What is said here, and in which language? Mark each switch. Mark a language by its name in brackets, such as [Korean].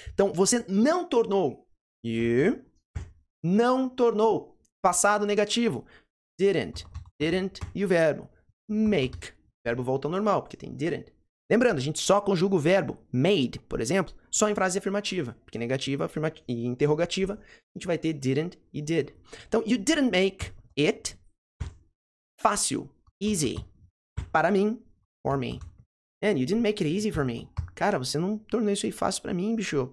[Portuguese] Então, você não tornou. You não tornou. Passado negativo. Didn't. Didn't e o verbo make. O verbo volta ao normal, porque tem didn't. Lembrando, a gente só conjuga o verbo made, por exemplo, só em frase afirmativa. Porque negativa e interrogativa, a gente vai ter didn't e did. Então, [English] you didn't make it [Portuguese] fácil, [English] easy, [Portuguese] para mim, [English] for me. And you didn't make it easy for me. [Portuguese] Cara, você não tornou isso aí fácil para mim, bicho.